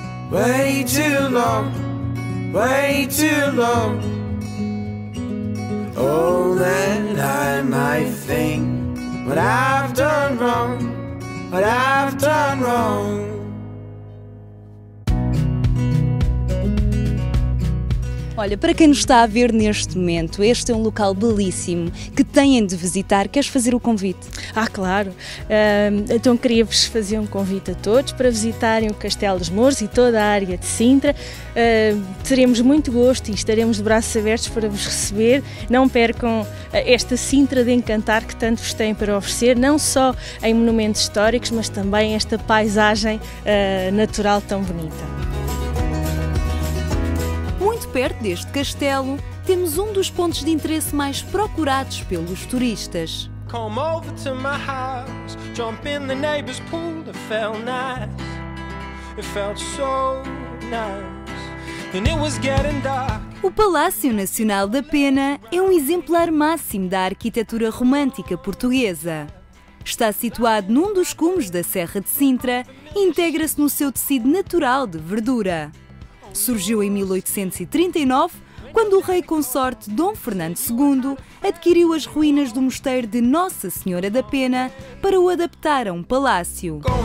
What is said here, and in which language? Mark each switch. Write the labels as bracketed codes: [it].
[en] Way too long, way too long. Oh, then I might think what I've done wrong, what I've done wrong. [pt] Olha, para quem nos está a ver neste momento, este é um local belíssimo que têm de visitar. Queres fazer o convite? Ah, claro. Então queria-vos fazer um convite a todos para visitarem o Castelo dos Mouros e toda a área de Sintra. Teremos muito gosto e estaremos de braços abertos para vos receber. Não percam esta Sintra de encantar que tanto vos tem para oferecer, não só em monumentos históricos, mas também esta paisagem natural tão bonita. Perto deste castelo, temos um dos pontos de interesse mais procurados pelos turistas. [en] Come over to my house, jump in the neighbor's pool, it felt nice, it felt so nice, and it was getting dark. [pt] O Palácio Nacional da Pena é um exemplar máximo da arquitetura romântica portuguesa. Está situado num dos cumes da Serra de Sintra e integra-se no seu tecido natural de verdura. Surgiu em 1839, quando o rei consorte Dom Fernando II adquiriu as ruínas do mosteiro de Nossa Senhora da Pena para o adaptar a um palácio.